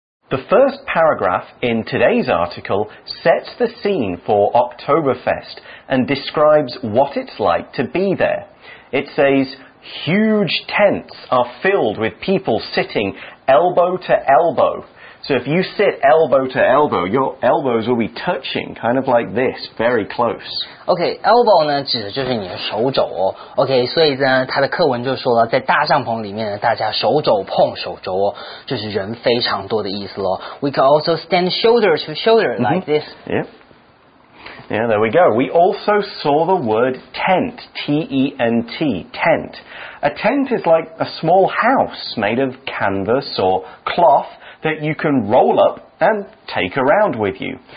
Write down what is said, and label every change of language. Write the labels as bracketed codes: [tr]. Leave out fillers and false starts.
[en] The first paragraph in today's article sets the scene for Oktoberfest and describes what it's like to be there. It says, huge tents are filled with people sitting elbow to elbow. So if you sit elbow to elbow, your elbows will be touching, kind of like this, very close. [zh] Okay, elbow 呢指的就是你的手肘哦。 Okay, 所以呢他的课文就说了在大帐篷里面呢大家手肘碰手肘哦就是人非常多的意思咯。 [en] We can also stand shoulder to shoulder like this. Yeah. Yeah, there we go. We also saw the word tent, T-E-N-T, tent. A tent is like a small house made of canvas or cloth,that you can roll up and take around with you.